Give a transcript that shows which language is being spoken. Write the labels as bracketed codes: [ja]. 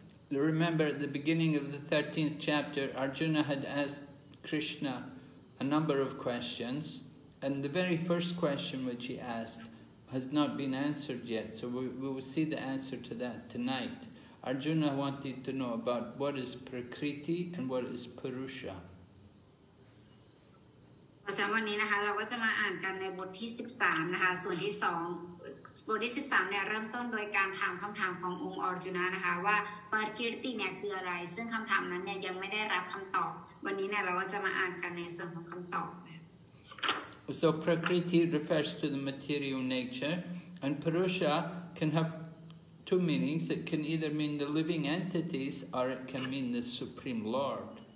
[en] Remember, at the beginning of the 13th chapter, Arjuna had asked Krishna a number of questions, and the very first question which he asked has not been answered yet, so we will see the answer to that tonight. Arjuna wanted to know about what is Prakriti and what is Purusha. [th] เพราะฉะนั้นวันนี้นะคะเราก็จะมาอ่านกันในบทที่13นะคะส่วนที่2บทที่13เนี่ยเริ่มต้นโดยการถามคำถามขององค์อร์จุนะนะคะว่าปรคีรติเนี่ยคืออะไรซึ่งคำถามนั้นเนี่ยยังไม่ได้รับคำตอบวันนี้เนี่ยเราก็จะมาอ่านกันในส่วนของคำตอบ [en] So Prakriti refers to the material nature and Purusha can have two meanings. It can either mean the living entities or it can mean the Supreme Lord.